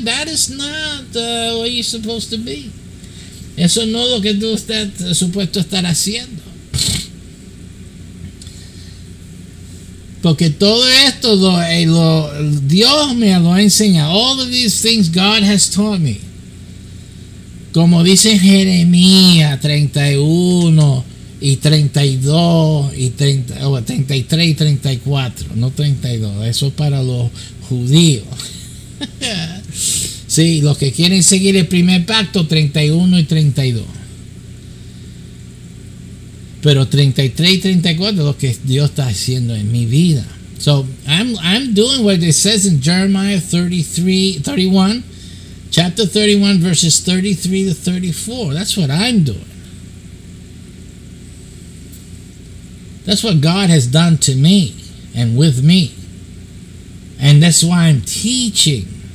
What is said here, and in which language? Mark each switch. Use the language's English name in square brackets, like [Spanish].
[English] That is not what you're supposed to be. [Spanish] Eso no es lo que tú estás supuesto estar haciendo. Porque todo esto lo Dios me lo enseña. [English] All of these things God has taught me. [Spanish] Como dice Jeremías 31 y 32 y 30, 33 y 34. No 32, eso para los judíos. Sí, los que quieren seguir el primer pacto, 31 y 32. Pero 33 y 34 es lo que Dios está haciendo en mi vida. [English] So, I'm doing what it says in Jeremiah 31, chapter 31, verses 33 to 34. That's what I'm doing. That's what God has done to me and with me. And that's why I'm teaching.